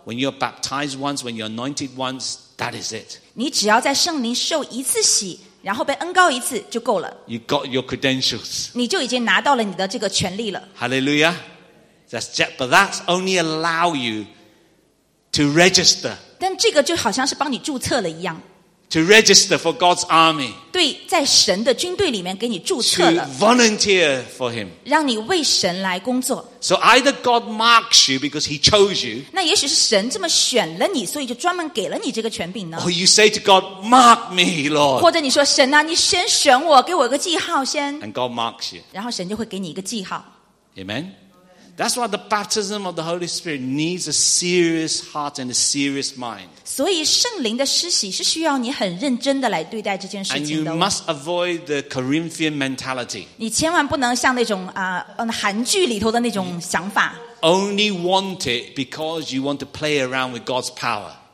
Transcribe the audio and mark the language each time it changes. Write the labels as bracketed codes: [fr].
[en] when you're baptized once, when you're anointed once, that is it. [zh] 你只要在圣灵受一次洗, 然后被恩膏一次, 就够了。 [en] You got your credentials. [zh] 你就已经拿到了你的这个权利了。 [en] Hallelujah. But that's only allow you to register. [zh] 但这个就好像是帮你注册了一样。 [en] To register for God's army. [zh] 对, 在神的军队里面给你注册了, [en] to volunteer for Him. [zh] 让你为神来工作。 [en] So either God marks you because He chose you. [zh] 那也许是神这么选了你, 所以就专门给了你这个权柄呢。 [en] Or you say to God, mark me, Lord. [zh] 或者你说, 神啊, 你先选我, 给我一个记号, 先。 [en] And God marks you. [zh] 然后神就会给你一个记号。 [en] Amen. That's why the baptism of the Holy Spirit needs a serious heart and a serious mind. [zh] 所以圣灵的施洗是需要你很认真地来对待这件事情的。 [en] And you must avoid the Corinthian mentality. [zh] 你千万不能像那种, 韩剧里头的那种想法。 [en] Only want it because you want to play around with God's power.